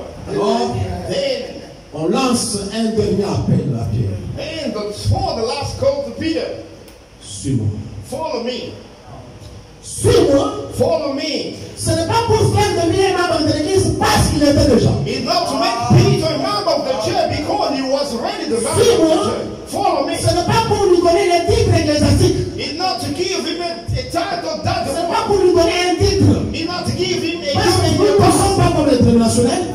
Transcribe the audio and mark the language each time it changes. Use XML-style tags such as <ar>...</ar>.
<fr>Alors, on lance un dernier appel à Pierre.</fr> <en>And for the last call to Peter.</en> <fr>Suis-moi.</fr> <en>Follow me.</en> <fr>Suis-moi.</fr> <en>Follow me.</en> <fr>Ce n'est pas pour qu'un devienne membre de l'église parce qu'il était déjà.</fr> <en>It's not to make Peter a member of the church because he was already the member.</en> <fr>Suis-moi.</fr> <en>Follow me.</en> <fr>Ce n'est pas pour lui donner le titre ecclésiastique.</fr> <en>It's not to give him a title that.</en> <fr>Ce n'est pas pour lui donner un titre.</fr> <en>It's not to give him a.</en> <fr>Parce que nous ne sommes pas comme les traditionnels.</fr>